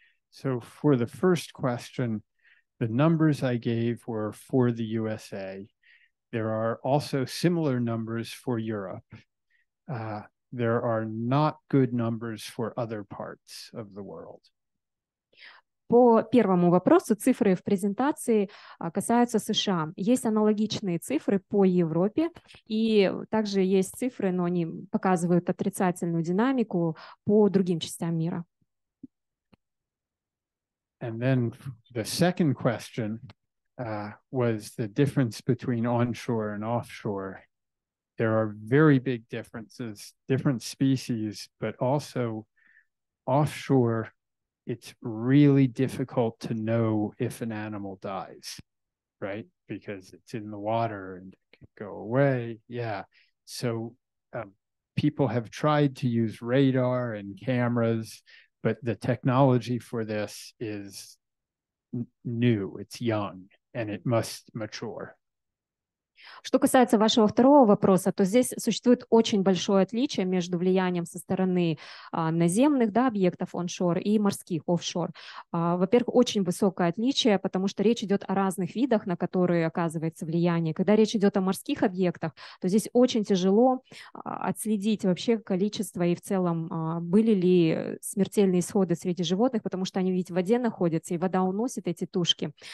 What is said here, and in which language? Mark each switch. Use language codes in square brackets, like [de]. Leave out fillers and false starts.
[en] So for the first question, the numbers I gave were for the USA. There are also similar numbers for Europe. There are not good numbers for other parts of the world. [ru] По первому вопросу, цифры в презентации касаются США. Есть аналогичные цифры по Европе, и также есть цифры, но они показывают отрицательную динамику по другим частям мира. [en] And then the second question was the difference between onshore and offshore. There are very big differences, different species, but also offshore, it's really difficult to know if an animal dies, right? Because it's in the water and it can go away. Yeah. So people have tried to use radar and cameras, but the technology for this is new, it's young, and it must mature. [ru] Что касается вашего второго вопроса, то здесь существует очень большое отличие между влиянием со стороны наземных, да, объектов onshore и морских offshore. Во-первых, очень высокое отличие, потому что речь идет о разных видах, на которые оказывается влияние. Когда речь идет о морских объектах, то здесь очень тяжело отследить вообще количество и в целом были ли смертельные исходы среди животных, потому что они ведь в воде находятся, и вода уносит эти тушки.